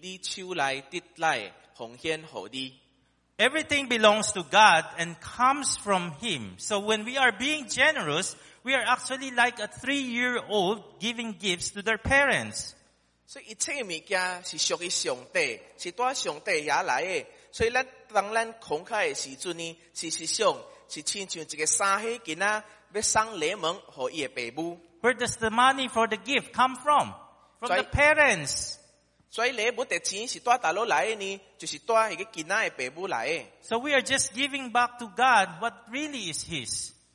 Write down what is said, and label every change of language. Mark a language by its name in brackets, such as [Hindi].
[Min Nan Chinese] 和咱的一个教导，伊只记载讲，我算什么呢？我的人民，佮算什么？经有力量安尼乐意奉献，因为万物拢是对你遐来的，咱只是将对于你手来得来奉献予你。 [English] Everything belongs to God and comes from Him. So when we are being generous, we are actually like a 3-year-old giving gifts to their parents. [Min Nan Chinese] 所以一切物件是属于上帝，是从上帝而来的。所以咱当咱慷慨的时阵呢，事实上是亲像一个三岁囡仔要送礼物给伊的父母。 [English] Where does the money for the gift come from? From the parents. [Min Nan Chinese] 所以礼物的钱是从哪里来的呢？就是从那个囡仔的父母来的。 [English] So we are just giving back to God what really is His.